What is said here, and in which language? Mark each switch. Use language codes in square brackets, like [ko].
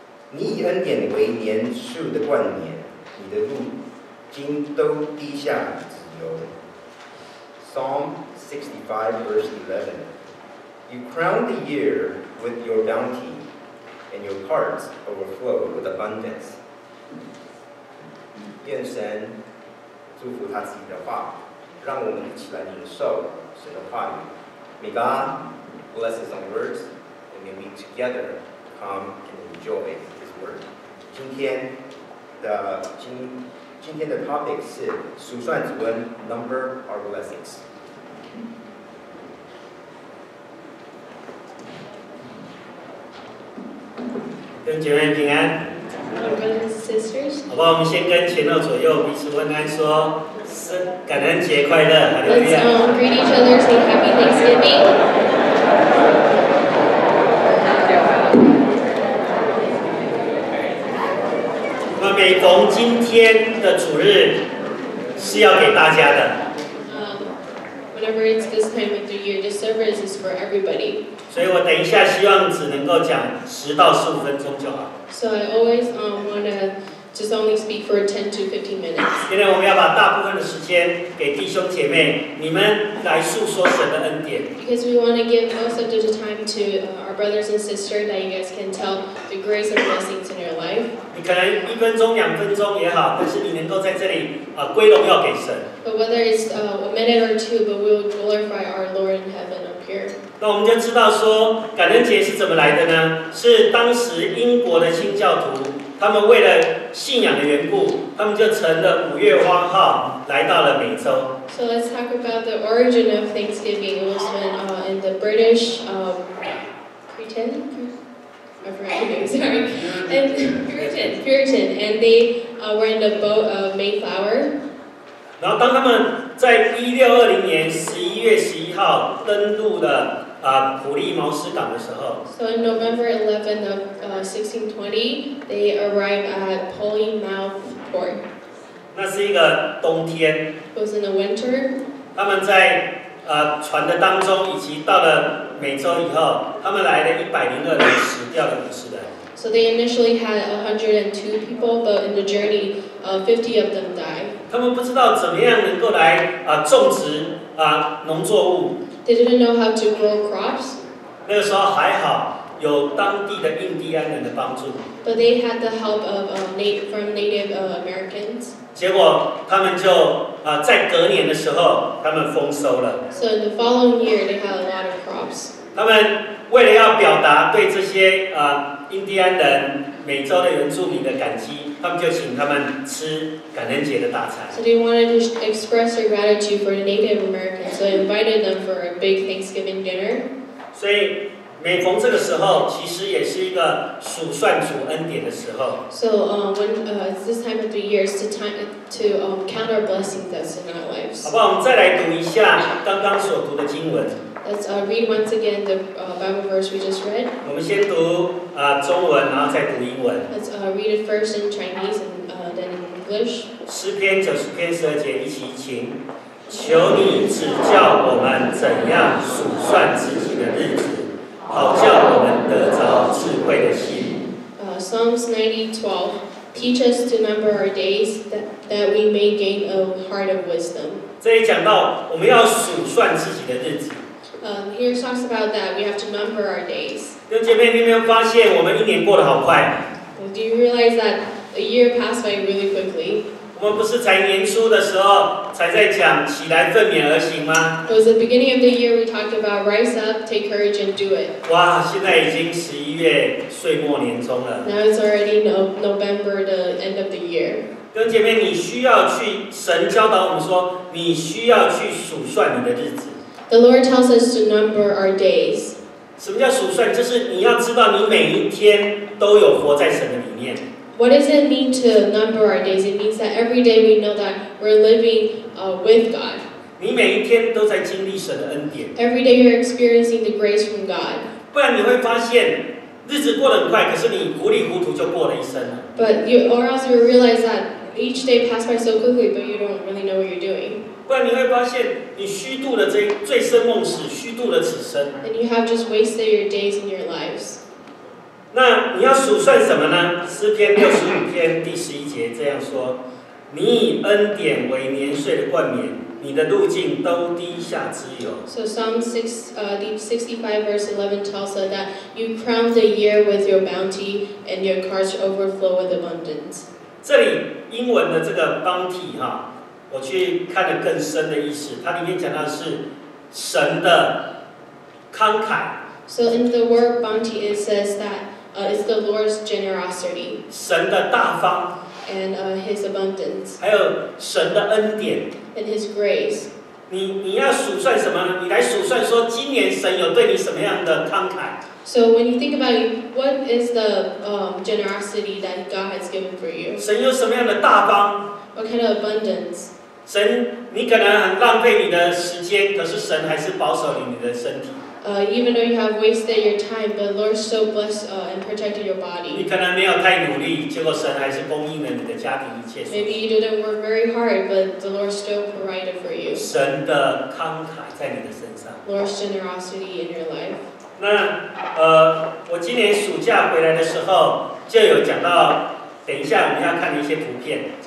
[zh] 你以恩典为年数的冠冕，你的路今都滴下子油。 [en] Psalm 65 verse 11. You crown the year with your bounty, and your hearts overflow with abundance. [zh] 愿神祝福他自己的话，让我们一起来领受神的话语。 [en] May God bless His own words, and may we together come and enjoy His word. [zh] 今天的 topic 是数算主恩 [en] number our blessings. [zh] 弟兄姐妹平安。 [en] Sisters, [zh] 好吧，我们先跟前后左右彼此问安说，感恩节快乐，哈利路亚。 [en] Let's greet each other, say Happy Thanksgiving. [zh] 那每逢今天的主日是要给大家的。 [en] Whenever it's this time of the year, the service is for everybody. [zh] 所以我等一下希望只能够讲10到15分钟就好。 [en] So I always want to just only speak for 10 to 15 minutes. [zh] 今天我们要把大部分的时间给弟兄姐妹，你们来述说神的恩典。 [en] Because we want to give most of the time to our brothers and sisters that you guys can tell the grace and blessings in your life. [zh] 你可能一分钟、两分钟也好，但是你能够在这里归荣耀给神。 [en] But whether it's a minute or two, but we will glorify our Lord in heaven up here. [zh] 那我们就知道说感恩节是怎么来的呢？是当时英国的新教徒，他们为了信仰的缘故，他们就乘了五月花号来到了美洲。 [en] So let's talk about the origin of Thanksgiving. It was when in the British Puritan, and they were in the boat of Mayflower. [zh] 然后当他们在1620年11月11号登陆了普利茅斯港的时候。 [en] So on November 11 of 1620, they arrived at Polymouth Port. [zh] 那是一个冬天。 [en] It was in the winter. [zh] 他们在船的当中，以及到了美洲以后，他们来了102人，死掉了50人。 [en] So they initially had 102 people, but in the journey, 50 of them died. [zh] 他们不知道怎么样能够来种植农作物。 [en] They didn't know how to grow crops. [zh] 那个时候还好，有当地的印第安人的帮助。 [en] But they had the help of native Americans. [zh] 结果他们就在隔年的时候，他们丰收了。 [en] So in the following year, they had a lot of crops. [zh] 他们为了要表达对这些印第安人、美洲的原住民的感激，他们就请他们吃感恩节的大餐。 [en] So they wanted to express their gratitude for the Native Americans, so invited them for a big Thanksgiving dinner. [zh] 所以每逢这个时候，其实也是一个数算主恩典的时候。 [en] So when this time of the year is the time to count our blessings that's in our lives. [zh] 好吧，我们再来读一下刚刚所读的经文。 [en] Let's read once again the Bible verse we just read. [zh] 我们先读中文，然后再读英文。 [en] Let's read it first in Chinese and then in English. [zh] 90篇12节，一起请，求你指教我们怎样数算自己的日子，好叫我们得着智慧的心。 [en] Psalms 90:12, teach us to number our days, that we may gain a heart of wisdom. [zh] 这里讲到我们要数算自己的日子。 [en] Here it talks about that we have to number our days. [zh] 弟兄姐妹，你有没有发现我们一年过得好快？ [en] Well, do you realize that a year passed by really quickly? [zh] 我们不是才年初的时候才在讲起来奋勉而行吗？ [en] It was the beginning of the year we talked about rise up, take courage and do it. [zh] 哇，现在已经11月岁末年终了。 [en] Now it's already November, the end of the year. [zh] 弟兄姐妹，你需要去神教导我们说，你需要去数算你的日子。 [en] The Lord tells us to number our days. [zh] 什么叫数算？就是你要知道你每一天都有活在神的里面。 [en] What does it mean to number our days? It means that every day we know that we're living with God. [zh] 你每一天都在经历神的恩典。 [en] Every day you're experiencing the grace from God. [zh] 不然你会发现日子过得很快，可是你糊里糊涂就过了一生了。 [en] But you, or else you realize that each day passed by so quickly, but you don't really know what you're doing. [zh] 不然你会发现，你虚度了这醉生梦死，虚度了此生。 [en] And you have just wasted your days and your lives. [zh] 那你要数算什么呢？诗篇六十五篇第十一节这样说：你以恩典为年岁的冠冕，你的路径都滴下脂油。 [en] So Psalm 65 verse 11 tells us that you crown the year with your bounty and your carts overflow with abundance. [zh] 这里英文的这个 bounty 哈，我去看了更深的意思，它里面讲到的是神的慷慨。 [en] So in the word bounty, it says that it's the Lord's generosity. [zh] 神的大方。 [en] And his abundance. [zh] 还有神的恩典。 [en] And his grace. [zh] 你要数算什么？你来数算说今年神有对你什么样的慷慨 [en] ？So when you think about it, what is the generosity that God has given for you? [zh] 神有什么样的大方 [en] ？What kind of abundance? [zh] 神，你可能很浪费你的时间，可是神还是保守你的身体。 [en] Even though you have wasted your time, the Lord so blessed and protected your body. [zh] 你可能没有太努力，结果神还是供应了你的家庭一切。 [en] Maybe you didn't work very hard, but the Lord still provided for you. [zh] 神的慷慨在你的身上。 [en] Lord's generosity in your life. [zh] 那我今年暑假回来的时候，就有讲到，等一下我们要看的一些图片。